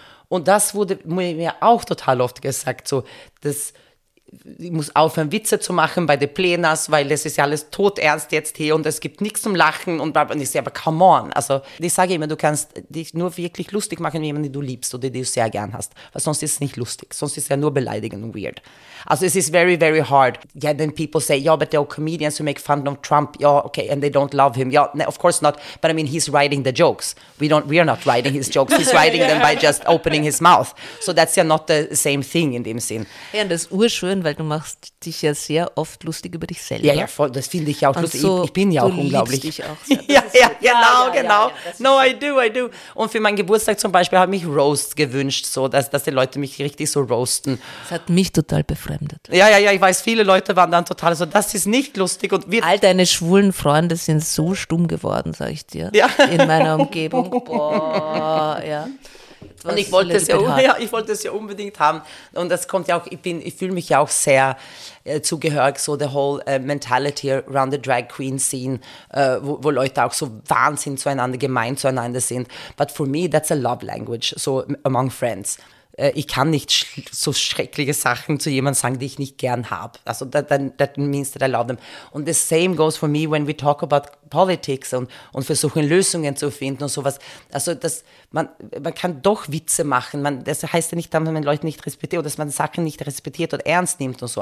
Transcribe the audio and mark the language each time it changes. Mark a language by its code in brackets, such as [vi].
[de] Und das wurde mir auch total oft gesagt, so, dass ich muss aufhören, Witze zu machen bei den Plenars, weil das ist ja alles todernst jetzt hier und es gibt nichts zum Lachen. Und ich sage, aber come on. Also ich sage immer, du kannst dich nur wirklich lustig machen mit jemandem, den du liebst oder den du sehr gern hast. Weil sonst ist es nicht lustig. Sonst ist es ja nur beleidigend und weird. Also es ist very, very hard. [en] Yeah, then people say, yeah, but there are comedians who make fun of Trump. Yeah, okay, and they don't love him. Yeah, of course not. But I mean, he's writing the jokes. We are not writing his jokes. He's writing them by just opening his mouth. So that's ja not the same thing in dem Sinn. [de] Ja, und das ist urschön, weil du machst dich ja sehr oft lustig über dich selber. Ja, ja, voll, das finde ich auch lustig. So, ich bin ja auch unglaublich. Du liebst dich auch sehr. Ja, ja, ja, genau, ja, genau. Ja, ja, no, I do. Und für meinen Geburtstag zum Beispiel habe ich mich Roast gewünscht, so dass die Leute mich richtig so roasten. Das hat mich total befremdet. Ja, ja, ja, ich weiß, viele Leute waren dann total so, das ist nicht lustig. Und all deine schwulen Freunde sind so stumm geworden, sag ich dir, ja. In meiner Umgebung. Boah, ja. Und ich wollte, es ja unbedingt haben. Und das kommt ja auch, ich fühle mich ja auch sehr zugehörig, so the whole mentality around the drag queen scene, wo Leute auch so wahnsinn zueinander, gemein zueinander sind. [en] But for me, that's a love language, so among friends. [de] Ich kann nicht so schreckliche Sachen zu jemandem sagen, die ich nicht gern habe. [en] Also that means that I love them. And the same goes for me when we talk about politics und versuchen Lösungen zu finden und sowas. [de] Also dass man kann doch Witze machen. Das heißt ja nicht, dass man Leute nicht respektiert oder dass man Sachen nicht respektiert und ernst nimmt und so.